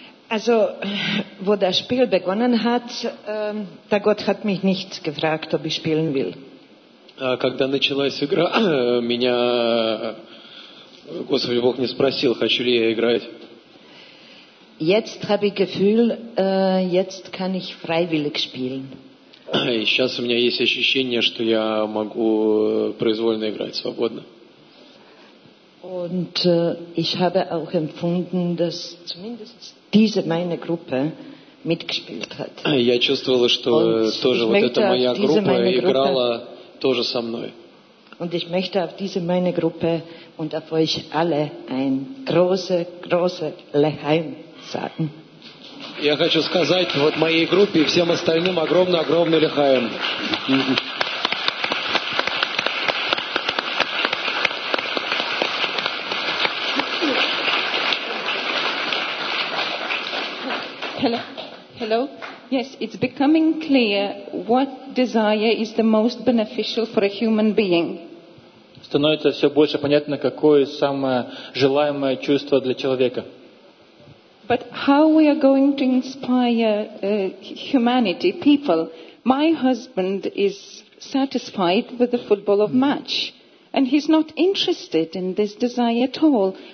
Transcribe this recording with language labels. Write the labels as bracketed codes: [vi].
[de] Also, wo das Spiel begonnen hat, der Gott hat mich nicht gefragt, ob ich spielen will. [ru] Когда началась игра, меня Господь Бог не спросил, хочу ли я играть. [de] Jetzt habe ich Gefühl, jetzt kann ich freiwillig spielen. [ru] Сейчас у меня есть ощущение, что я могу произвольно играть, свободно. [de] Und ich habe auch empfunden, dass zumindest diese meine Gruppe mitgespielt hat. [ru] Я чувствовала, что тоже вот эта моя группа играла тоже со мной. [de] Und ich möchte auf diese meine Gruppe und auf euch alle ein großes, großes Leheim sagen. [ru] Я хочу сказать вот моей группе и всем остальным огромный, огромный Leheim. [en] Hello. Yes, it's becoming clear what desire is the most beneficial for a human being. [ru] Становится все больше понятно, какое самое желаемое чувство для человека. [en] But how we are going to inspire humanity, people? My husband is satisfied with the football of match, and he's not interested in this desire at all.